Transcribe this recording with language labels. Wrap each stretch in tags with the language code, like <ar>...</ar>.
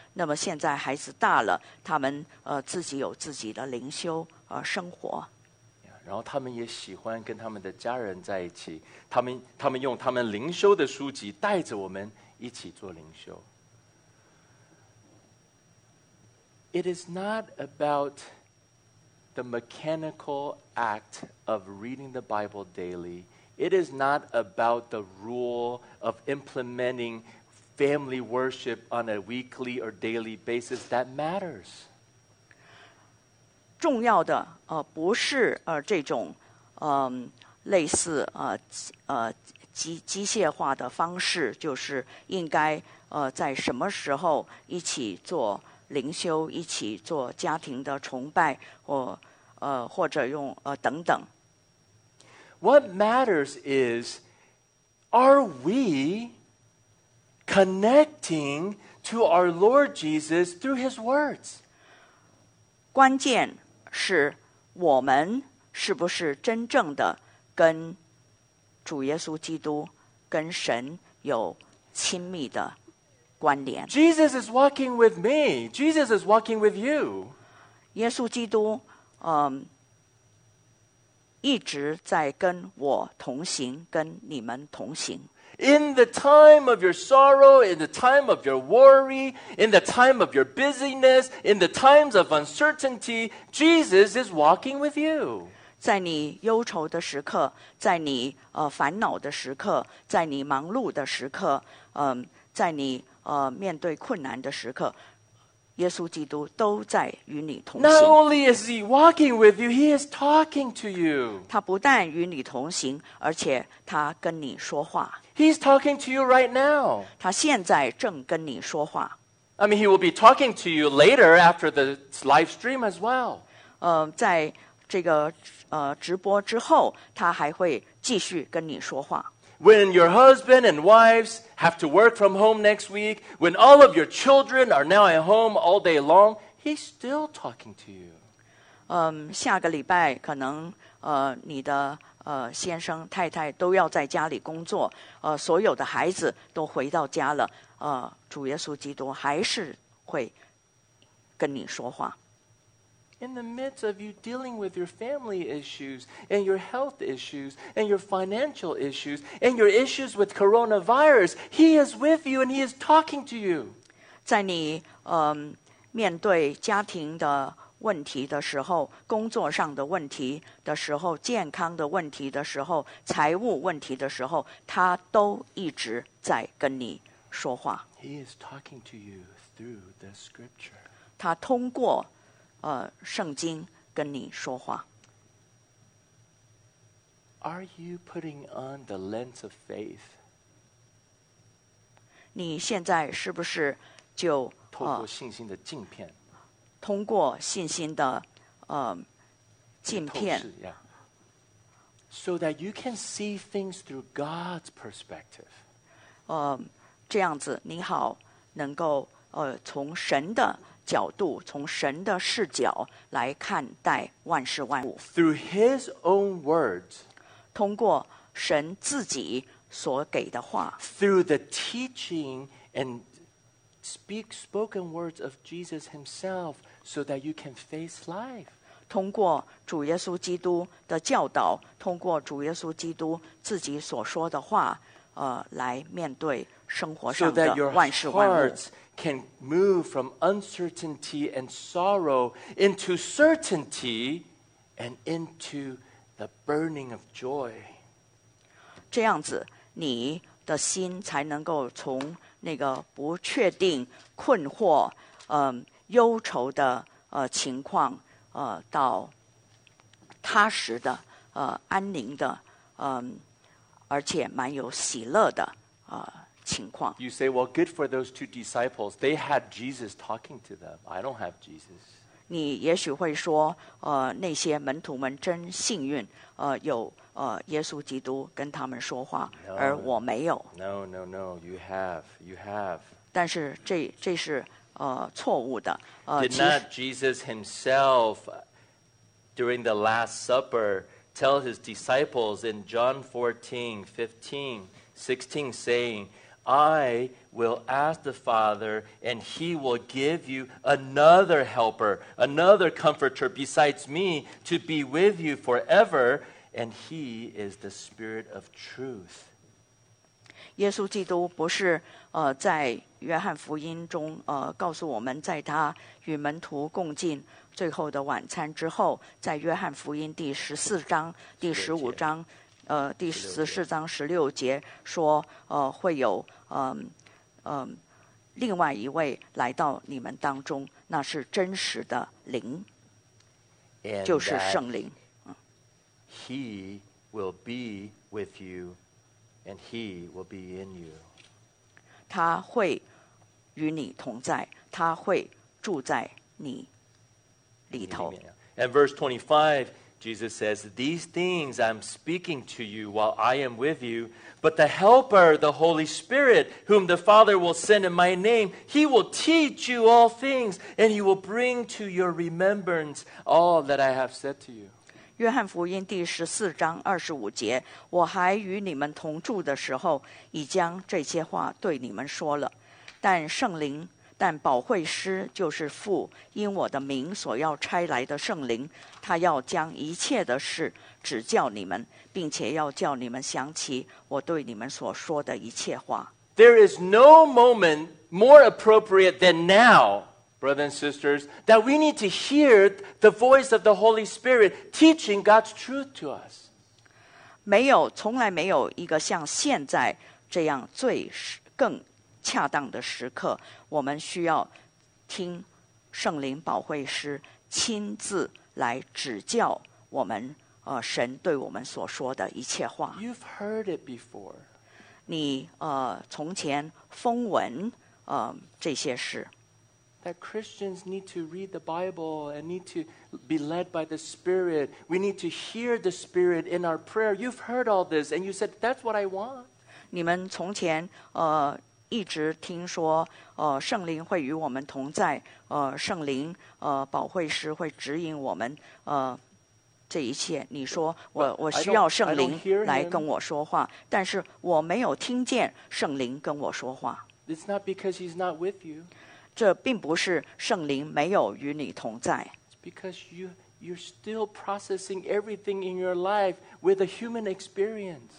<zh>那么现在孩子大了，他们自己有自己的灵修生活。然后他们也喜欢跟他们的家人在一起，他们用他们灵修的书籍带着我们一起做灵修。</zh> <en>It is not about the mechanical act of reading the Bible daily. It is not about the rule of implementing family worship on a weekly or daily basis that matters.</en> <zh>重要的不是这种类似机械化的方式，就是应该在什么时候一起做灵修，一起做家庭的崇拜，或者等等。</zh> <en>What matters is, are we connecting to our Lord Jesus through His words?</en> <zh>关键是我们是不是真正的跟主耶稣基督、跟神有亲密的关联。</zh> <en>Jesus is walking with me. Jesus is walking with you.</en> <zh>耶稣基督一直在跟我同行，跟你们同行。</zh> <en>In the time of your sorrow, in the time of your worry, in the time of your busyness, in the times of uncertainty, Jesus is walking with you.</en> <zh>在你忧愁的时刻，在你烦恼的时刻，在你忙碌的时刻，在你面对困难的时刻，耶稣基督都在与你同行。</zh> <en>Not only is he walking with you, he is talking to you.</en> <zh>他不但与你同行，而且他跟你说话。</zh> <en>He's talking to you right now.</en> <zh>他现在正跟你说话。</zh> <en>I mean, he will be talking to you later after the live stream as well.</en> <zh>在这个直播之后，他还会继续跟你说话。</zh> <en>When your husband and wives have to work from home next week, when all of your children are now at home all day long, he's still talking to you.</en> <zh>下个礼拜可能你的先生太太都要在家里工作，所有的孩子都回到家了，主耶稣基督还是会跟你说话。</zh> <en>In the midst of you dealing with your family issues and your health issues and your financial issues and your issues with coronavirus, he is with you and he is talking to you.</en> <zh>在你面对家庭的问题的时候，工作上的问题的时候，健康的问题的时候，财务问题的时候，他都一直在跟你说话。</zh> <en>He is talking to you through the scripture.</en> <zh>他通过圣经跟你说话。</zh> <en>Are you putting on the lens of faith?</en> <zh>你现在是不是就透过信心的镜片，通过信心的镜片</zh> <en>，so that you can see things through God's perspective.</en> <zh>这样子你好能够从神的角度，从神的视角来看待万事万物。</zh> <en>Through His own words,</en> <zh>通过神自己所给的话。</zh> <en>Through the teaching and spoken words of Jesus Himself, so that you can face life.</en> <zh>通过主耶稣基督的教导，通过主耶稣基督自己所说的话，来面对生活上的万事万物。</zh> <en>Can move from uncertainty and sorrow into certainty and into the burning of joy.</en> <zh>这样子，你的心才能够从那个不确定、困惑、忧愁的情况到踏实的、安宁的、而且蛮有喜乐的情况。</zh> <en>You say, well, good for those two disciples. They had Jesus talking to them. I don't have Jesus.</en> <zh>你也许会说那些门徒们真幸运有耶稣基督跟他们说话</zh> <en>no,</en> <zh>而我没有</zh> <en>No, no, no, you have, you have</en> <zh>但是 这是错误的</zh> <en>Did not Jesus himself during the Last Supper tell his disciples in John 14, 15, 16 saying I will ask the Father and he will give you another helper another comforter besides me to be with you foreverAnd he is the spirit of truth.</en> <zh>耶稣基督不是在约翰福音中告诉我们在他与门徒共进最后的晚餐之后在约翰福音第十四章第十五章第十四章十六节说会有另外一位来到你们当中那是真实的灵就是圣灵。</zh> <en>He will be with you, and he will be in you.</en> <zh>他会与你同在，他会住在你里头。</zh> <en>And verse 25, Jesus says, These things I'm speaking to you while I am with you, but the Helper, the Holy Spirit, whom the Father will send in my name, he will teach you all things, and he will bring to your remembrance all that I have said to you.</en> <zh>约翰福音第十四章二十五节我还与你们同住的时候已将这些话对你们说了但圣灵但保惠师就是父因我的名所要差来的圣灵他要将一切的事指教你们并且要叫你们想起我对你们所说的一切话</zh> <en>There is no moment more appropriate than nowBrothers and sisters, that we need to hear the voice of the Holy Spirit teaching God's truth to us.</en> <zh>没有，从来没有一个像现在这样最更恰当的时刻，我们需要听圣灵保惠师亲自来指教我们，神对我们所说的一切话。</zh> <en>You've heard it before.</en> <zh>你从前风闻这些事。</zh> <en>That Christians need to read the Bible and need to be led by the Spirit. We need to hear the Spirit in our prayer. You've heard all this and you said, that's what I want.</en> <zh>你们从前一直听说圣灵会与我们同在圣灵保惠师会指引我们这一切。你说 我需要圣灵来跟我说话但是我没有听见圣灵跟我说话。</zh> <en>It's not because he's not with you.</en> <zh>这并不是圣灵没有与你同在。</zh> <en>It's because you're still processing everything in your life with a human experience.</en>